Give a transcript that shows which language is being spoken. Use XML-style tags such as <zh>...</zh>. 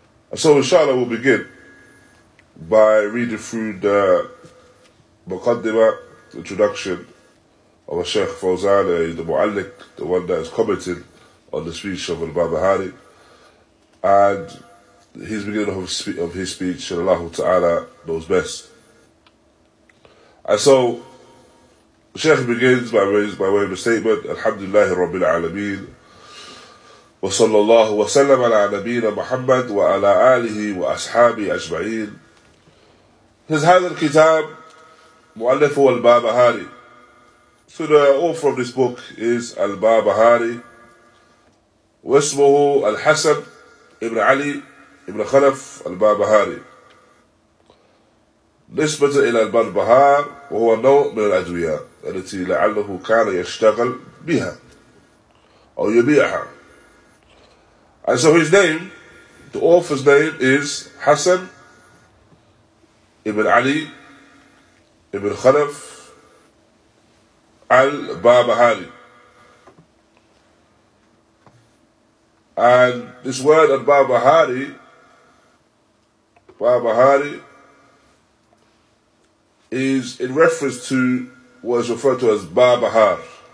<en>And so inshallah we'll begin by reading through the Muqaddimah, the introduction of a Sheikh Fawzan, the Mu'allik, the one that has commented on the speech of Al-Barbahari, and his beginning of his speech, and Allah Ta'ala knows best. And so</en> <ar>الشيخ</ar> <en>begins by way of the statement</en> <ar>الحمد لله رب العالمين وصلى الله وسلم على نبينا محمد وعلى آله وأصحابه أجمعين.</ar> <en>His</en> <ar>هذا الكتاب مؤلفه البابهاري.</ar> <en>So the author of this book is</en> <ar>البابهاري واسمه الحسن ابن علي ابن خلف البابهاري نسبة إلى البربهار وهو نوع من الأدوية التي لعله كان يشتغل بها أو يبيعها.</ar> <en>And so his name, the author's name is Hassan ibn Ali ibn Khalaf al-Barbahaaree. And this word al-Barbahaaree is in reference to was referred to as Barbahaaree,</en>